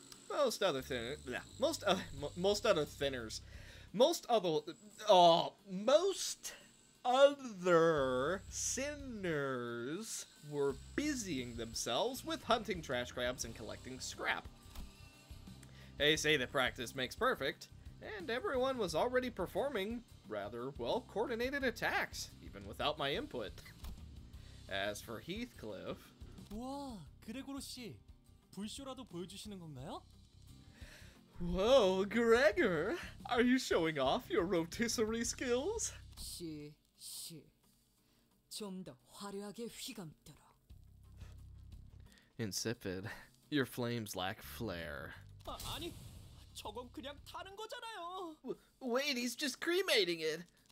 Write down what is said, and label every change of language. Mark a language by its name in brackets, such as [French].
[English] Most other sinners were busying themselves with hunting trash crabs and collecting scrap. They say that practice makes perfect, and everyone was already performing rather well-coordinated attacks, even without my input. As for Heathcliff... [Korean] 우와, 그레고르씨, 불쇼라도 보여주시는 건가요? [English] Whoa, Gregor, are you showing off your rotisserie skills? [Korean] 씨, 씨, 좀 더 화려하게 휘감더라. [English] Insipid, your flames lack flair. [Korean] 아, 아니, 저건 그냥 타는 거잖아요. [English] Wait, he's just cremating it.